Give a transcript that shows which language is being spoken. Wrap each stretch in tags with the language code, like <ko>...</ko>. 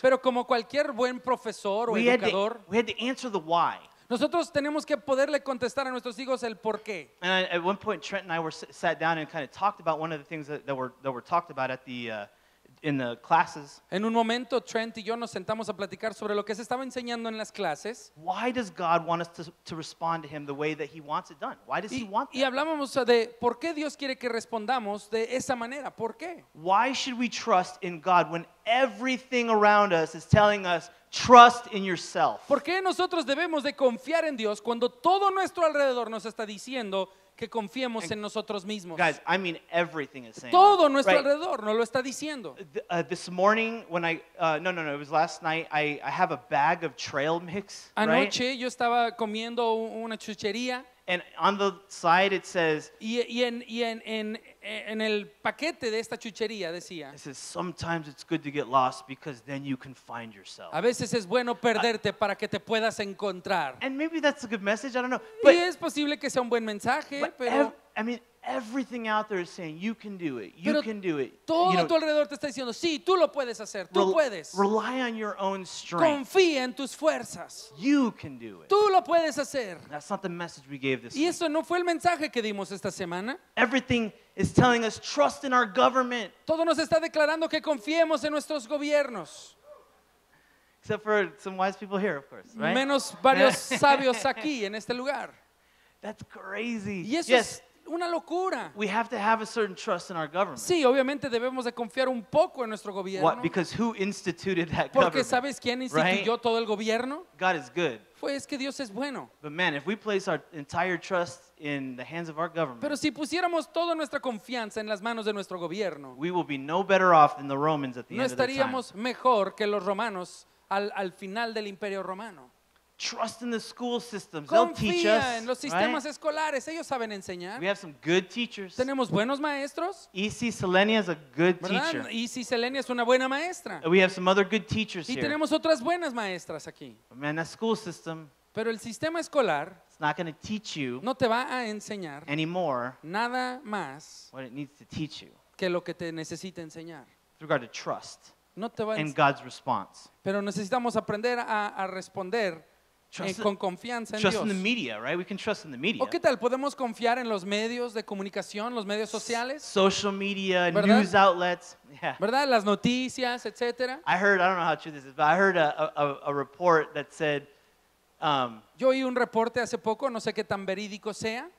<es>pero como cualquier buen profesor o educador,</es> <en>we had to answer the why.</en> <es>Nosotros tenemos que poderle contestar a nuestros hijos el porqué.</es> <en>And at one point, Trent and I were sat down and kind of talked about one of the things that were talked about at the in the classes.</en> <es>En un momento, Trent y yo nos sentamos a platicar sobre lo que se estaba enseñando en las clases.</es> <en>Why does God want us to respond to him the way that he wants it done? Why does he want that?</en> <es>Y hablábamos de por qué Dios quiere que respondamos de esa manera. ¿Por qué?</es> <en>Why should we trust in God when everything around us is telling us trust in yourself?</en> <es>¿Por qué nosotros debemos de confiar en Dios cuando todo nuestro alrededor nos está diciendo que confiemos en nosotros mismos?</es> <en>Guys, I mean everything is saying.</en> <es>Todo nuestro alrededor nos lo está diciendo.</es> <en>This morning when I it was last night, I have a bag of trail mix.</en> <es>Anoche,</es> <en>right?</en> <es>Yo estaba comiendo una chuchería.</es> <en>And on the side it says,</en> <es>y en el paquete de esta chuchería decía,</es> <en>it says, sometimes it's good to get lost because then you can find yourself.</en> <es>A veces es bueno perderte para que te puedas encontrar.</es> <en>And maybe that's a good message, I don't know. But,</en> <es>y es posible que sea un buen mensaje, pero</es> <en>I mean, everything out there is saying you can do it. You can do it.</en> <es>Todo,</es> <en>you know,</en> <es>a tu alrededor te está diciendo, sí, tú lo puedes hacer. Tú puedes.</es> <en>Rely on your own strength.</en> <es>Confía en tus fuerzas.</es> <en>You can do it.</en> <es>Tú lo puedes hacer.</es> <en>That's not the message we gave this week.</en> <es>Y eso no fue el mensaje que dimos esta semana.</es> <en>Everything is telling us trust in our government.</en> <es>Todo nos está declarando que confiemos en nuestros gobiernos.</es> <en>Except for some wise people here, of course, right?</en> <es>Menos varios sabios aquí en este lugar.</es> <en>That's crazy.</en> <es>Y eso</es> <en>yes.</en> <es>Una locura.</es> <en>We have to have a certain trust in our government.</en> <es>Sí, obviamente debemos de confiar un poco en nuestro gobierno.</es> <en>What? Because who instituted that government?</en> <es>Porque sabes quién instituyó todo el gobierno?</es> <en>God is good.</en> <es>Pues que Dios es bueno.</es> <en>But man, if we place our entire trust in the hands of our government,</en> <es>pero si pusiéramos toda nuestra confianza en las manos de nuestro gobierno,</es> <en>we will be no better off than the Romans at the end of the time.</en> <es>No estaríamos mejor que los romanos al final del Imperio Romano.</es> <en>Trust in the school systems.</en> <es>Confía</es> <en>They'll teach us.</en> <es>En los sistemas</es> <en>right?</en> <es>escolares. Ellos saben enseñar.</es> <en>We have some good teachers.</en> <es>Tenemos buenos maestros.</es> <en>EC Selenia is a good teacher.</en> <es>EC Selenia es una buena maestra.</es> <en>We have some other good teachers</en> <es>y</es> <en>here.</en> <es>Y tenemos otras buenas maestras aquí.</es> <en>But man, that school system.</en> <es>Pero el sistema escolar.</es> <en>It's not going to teach you.</en> <es>No te va a enseñar.</es> <en>Anymore.</en> <es>Nada más.</es> <en>What it needs to teach you.</en> <es>Que lo que te necesita enseñar.</es> <en>With regard to trust.</en> <es>No te va a enseñar.</es> <en>God's response.</en> <es>Pero necesitamos aprender a responder.</es> <en>Trust in the media, right? We can trust in the media.</en> <es>¿O qué tal? ¿Podemos confiar en los medios de comunicación, los medios sociales?</es> <en>Social media,</en> <es>¿verdad?</es> <en>News outlets. Yeah.</en> <es>¿Verdad? Las noticias, etcétera.</es> <en>I heard, I don't know how true this is, but I heard a report that said</en> <es>yo oí un reporte hace poco, no sé qué tan verídico sea.</es>